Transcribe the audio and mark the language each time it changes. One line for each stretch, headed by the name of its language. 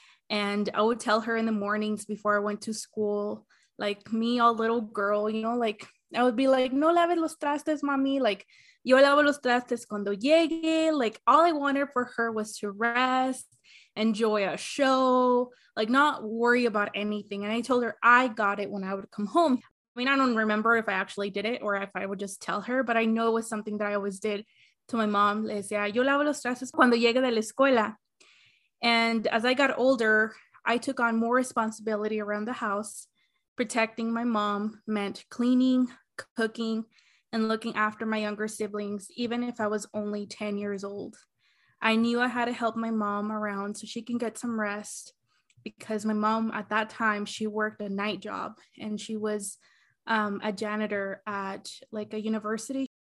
English: And I would tell her in the mornings before I went to school, like me all little girl, you know, like I would be like,
Spanish: no laves los trastes, mami,
English: like,
Spanish: yo lavo los trastes cuando llegue.
English: Like, all I wanted for her was to rest, enjoy a show, like not worry about anything. And I told her I got it when I would come home. I mean, I don't remember if I actually did it or if I would just tell her, but I know it was something that I always did to my mom.
Spanish: Le decía, yo lavo los trastes cuando llegue de la escuela.
English: And as I got older, I took on more responsibility around the house. Protecting my mom meant cleaning, cooking, and looking after my younger siblings, even if I was only 10 years old. I knew I had to help my mom around so she can get some rest, because my mom at that time, she worked a night job and she was a janitor at like a university.